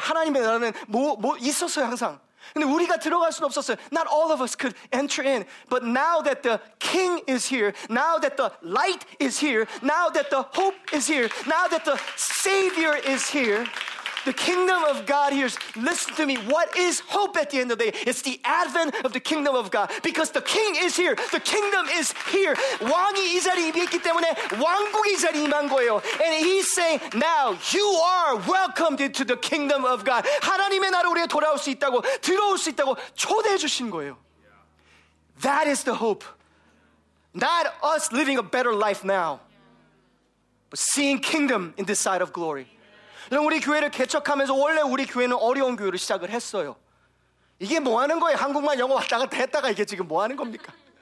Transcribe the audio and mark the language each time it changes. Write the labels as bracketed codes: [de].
[ko] 하나님의 나라는 뭐 있었어요 항상. 근데 우리가 들어갈 수는 없었어요. [en] Not all of us could enter in. But now that the king is here, now that the light is here, now that the hope is here, now that the savior is here, the kingdom of God here is, listen to me, what is hope at the end of the day? It's the advent of the kingdom of God. Because the king is here, the kingdom is here. [ko] 왕이 이 자리에 임했기 때문에 왕국이 이 자리에 임한 거예요. [en] And he's saying, now you are welcomed into the kingdom of God. [ko] 하나님의 나라 우리가 돌아올 수 있다고, 들어올 수 있다고 초대해 주신 거예요. [en] That is the hope. Not us living a better life now, but seeing kingdom in this side of glory. [ko] 여러분 우리 교회를 개척하면서 원래 우리 교회는 어려운 교회를 시작을 했어요. 이게 뭐 하는 거예요? 한국말 영어 왔다 갔다 했다가 이게 지금 뭐 하는 겁니까?